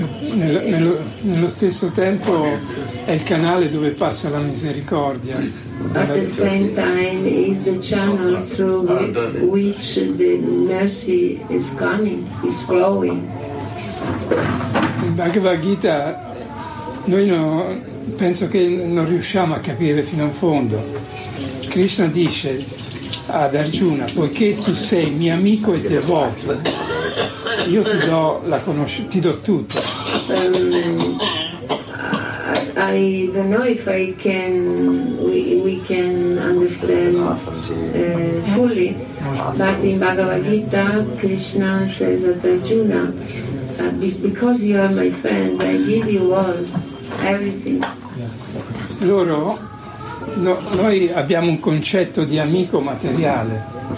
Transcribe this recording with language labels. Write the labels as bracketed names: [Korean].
[Italian] Nello stesso tempo è il canale dove passa la misericordia. [English] At the same time is the channel through which the mercy is coming, is flowing. [Italian] In Bhagavad Gita noi no, penso che non riusciamo a capire fino in fondo. Krishna dice ad Arjuna, poiché tu sei mio amico e devoto, io ti do la ti do tutto. [English] I don't know if I can we can understand fully, but in Bhagavad Gita Krishna says to Arjuna, because you are my friend, I give you all, everything. [Italian] Loro, no, noi abbiamo un concetto di amico materiale.